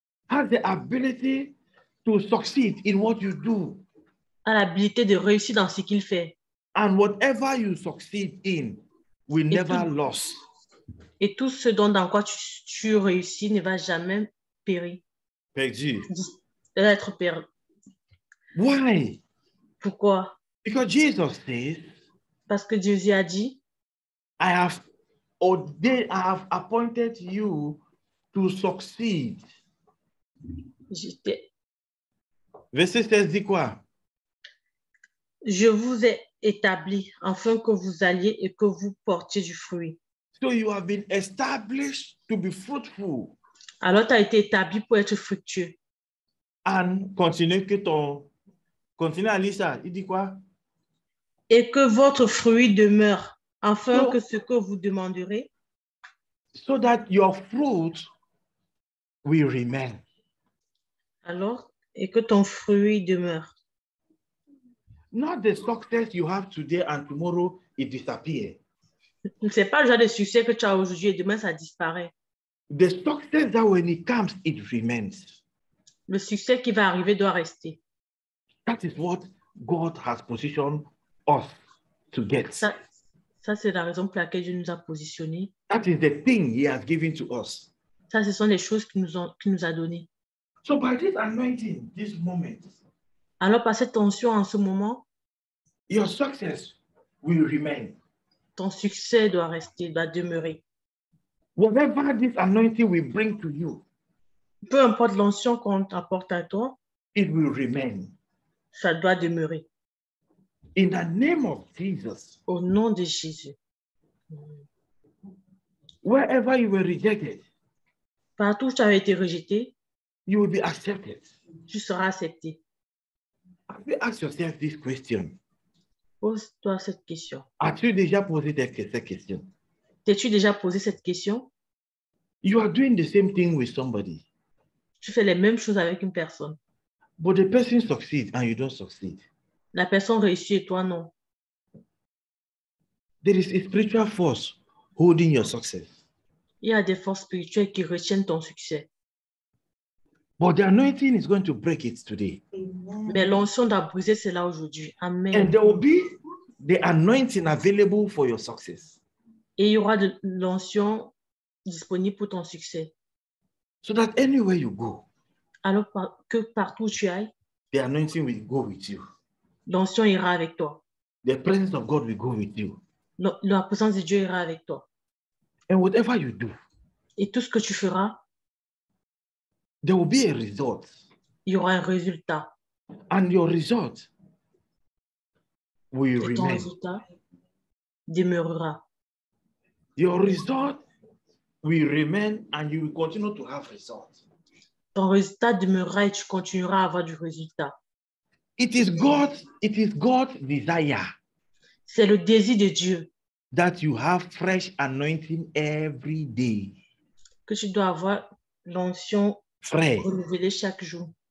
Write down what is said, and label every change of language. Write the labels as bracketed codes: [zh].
[en] has the ability to succeed in what you do, [fr] a l'habilité de réussir dans ce qu'il fait, [en] and whatever you succeed in will never lose, [fr] et tout ce dont dans quoi tu réussis ne va jamais périr, perdu, d'être perdu. [en] Why? [fr] Pourquoi? [en] Because Jesus says. [fr] Parce que Jésus a dit. [en] I have appointed you to succeed. [fr] Verset 16 dit quoi? Je vous ai établi afin que vous alliez et que vous portiez du fruit. [en] So you have been established to be fruitful. [fr] Alors tu as été établi pour être fructueux. And continue que ton. Continue à lire ça. Il dit quoi? Et que votre fruit demeure, afin que ce que vous demanderez. [en] So that your fruit will remain. [fr] Alors, et que ton fruit demeure. [en] Not the success you have today and tomorrow, it disappears. [fr] Ce n'est pas le genre de succès que tu as aujourd'hui et demain, ça disparaît. [en] The success that when it comes, it remains. [fr] Le succès qui va arriver doit rester. [en] That is what God has positioned us to get. [fr] Ça c'est la raison pour laquelle Dieu nous a positionné. [en] That is the thing he has given to us. [fr] Ça ce sont les choses qu'il nous a donné. [en] So by this anointing, this moment. [fr] Alors par cette tension en ce moment. [en] Your success will remain. [fr] ton succès doit rester, doit demeurer. [en] Whatever this anointing will bring to you, [fr] peu importe l'onction qu'on t'apporte à toi, [en] it will remain. [fr] Ça doit demeurer. [en] In the name of Jesus, [fr] au nom de Jésus. [en] Wherever you were rejected, [fr] partout où tu avais été rejeté, [en] you will be accepted. [fr] Tu seras accepté. [en] Have you asked yourself this question? [fr] Pose-toi cette question. As-tu déjà posé cette question? T'es-tu déjà posé cette question? [en] You are doing the same thing with somebody. [fr] Tu fais les mêmes choses avec une personne. [en] But the person succeeds and you don't succeed. [fr] La personne réussit et toi non. [en] There is a spiritual force holding your success. [fr] Il y a des forces spirituelles qui retiennent ton succès. [en] But the anointing is going to break it today. [fr] Mais l'onction doit briser cela aujourd'hui. Amen. [en] And there will be the anointing available for your success. [fr] Et il y aura de l'onction disponible pour ton succès. [en] So that anywhere you go, [fr] alors que partout où tu ailles, [en] the anointing will go with you. [fr] L'onction ira avec toi. [en] The presence of God will go with you. [fr] La présence de Dieu ira avec toi. [en] And whatever you do, [fr] et tout ce que tu feras, [en] there will be a result. [fr] Il y aura un résultat. [en] And your result will [fr] et [en] remain. [fr] Ton résultat demeurera. [en] Your result will remain and you will continue to have results. [fr] Ton résultat demeurera et tu continueras à avoir du résultat. [en] It is God's desire. [fr] C'est le désir de Dieu. [en] That you have fresh anointing every day. [fr] Que tu dois avoir l'onction renouvelée chaque jour.